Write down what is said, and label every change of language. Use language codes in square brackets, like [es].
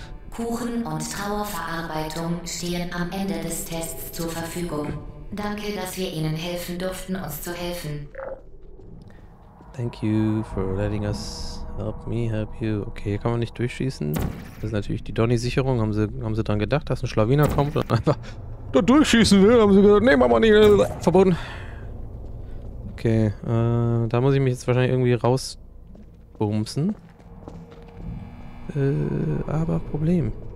[de] Kuchen und Trauerverarbeitung stehen am Ende des Tests zur Verfügung. Danke, dass wir Ihnen helfen durften, uns zu helfen. [en] Thank you for letting us help me help you. [de] Okay, hier kann man nicht durchschießen. Das ist natürlich die Donny-Sicherung. Haben sie dran gedacht, dass ein Schlawiner kommt und einfach da durchschießen will? Haben sie gesagt, nee, machen wir nicht. Verboten. Okay, da muss ich mich jetzt wahrscheinlich irgendwie rausbumsen. Aber Problem.